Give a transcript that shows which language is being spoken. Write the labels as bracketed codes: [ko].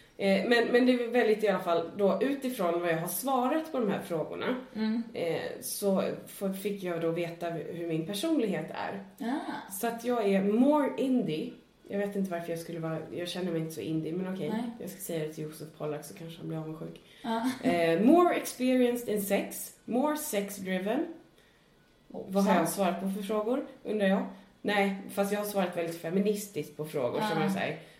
[sv] Men det är väldigt i alla fall då utifrån vad jag har svarat på de här frågorna så fick jag då veta hur min personlighet är. Ah. Så att jag är [en] more indie. [sv] Jag vet inte varför jag skulle vara, jag känner mig inte så indie, men okej. Nej. Jag ska säga det till Josef Pollack så kanske han blir avundsjuk. Ah. [en] More experienced in sex. More sex driven. [sv] Oh, vad har jag svarat på för frågor, undrar jag. Nej, fast jag har svarat väldigt feministiskt på frågor som jag säger.